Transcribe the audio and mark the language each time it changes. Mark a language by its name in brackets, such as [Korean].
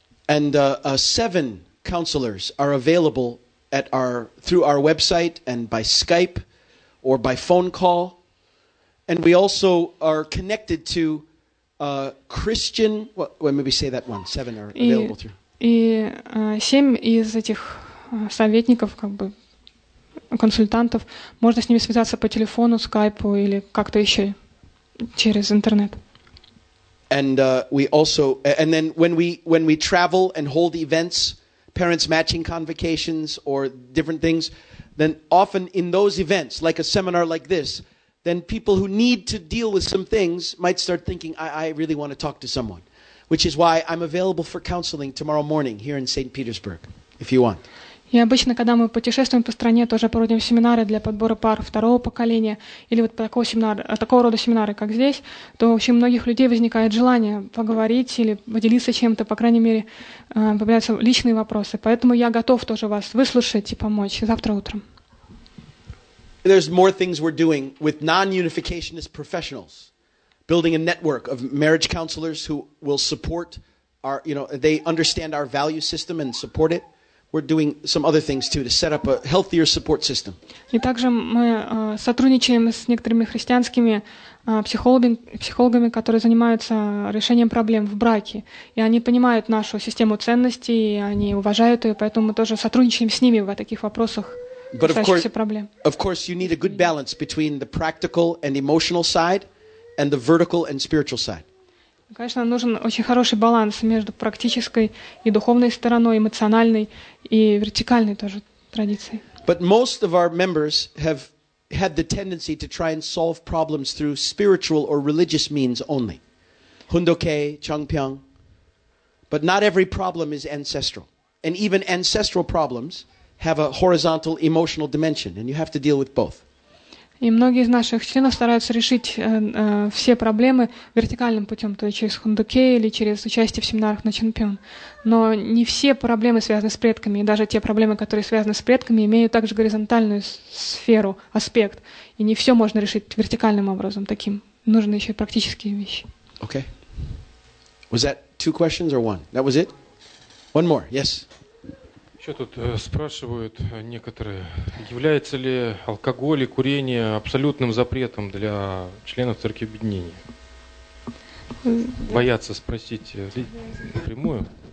[English] And 7 counselors are available at our through our website and by Skype or by phone call. And we also are connected to Christian, well, maybe say that one. 7 are available through. [Russian] И 7 из этих советников как бы консультантов, можно с ними связаться по телефону, скайпу или как-то еще через интернет. [English] And we also, and then when we travel and hold events, parents matching convocations or different things, then often in those events, like a seminar like this, then people who need to deal with some things might start thinking, I really want to talk to someone, which is why I'm available for counseling tomorrow morning here in St. Petersburg, if you want. [Russian] И обычно, когда мы путешествуем по стране, тоже проводим семинары для подбора пар второго поколения или вот такого семинара, такого рода семинары, как здесь, то очень многих людей возникает желание поговорить или поделиться чем-то, по крайней мере, появляются личные вопросы. Поэтому я готов тоже вас выслушать и помочь завтра утром. [English] There's more things we're doing with non-unificationist professionals, building a network of marriage counselors who will support our, you know, they understand our value system and support it. We're doing some other things too to set up a healthier support system. [Russian] И также мы сотрудничаем с некоторыми христианскими психологами, которые занимаются решением проблем в браке. И они понимают нашу систему ценностей, и они уважают ее, поэтому мы тоже сотрудничаем с ними в таких вопросах, касающихся проблем. [English] But of course, you need a good balance between the practical and emotional side and the vertical and spiritual side. [Russian] Конечно, нужен очень хороший баланс между практической и духовной стороной, эмоциональной и вертикальной тоже традицией. [English] But most of our members have had the tendency to try and solve problems through spiritual or religious means only. Hundoke, Changpyeong. But not every problem is ancestral. And even ancestral problems have a horizontal emotional dimension, and you have to deal with both. [Russian] И многие из наших членов стараются решить все проблемы вертикальным путем, то есть через хундуке или через участие в семинарах на Чанпён. Но не все проблемы связаны с предками, и даже те проблемы, которые связаны с предками, имеют также горизонтальную сферу, аспект. И не все можно решить вертикальным образом таким. Нужны еще и практические вещи. [English] Okay. Was that two questions or one? That was it? Yeah. One more, yes. [Russian] Еще тут спрашивают некоторые, является ли алкоголь и курение абсолютным запретом для членов Церкви Объединения? Боятся спросить напрямую.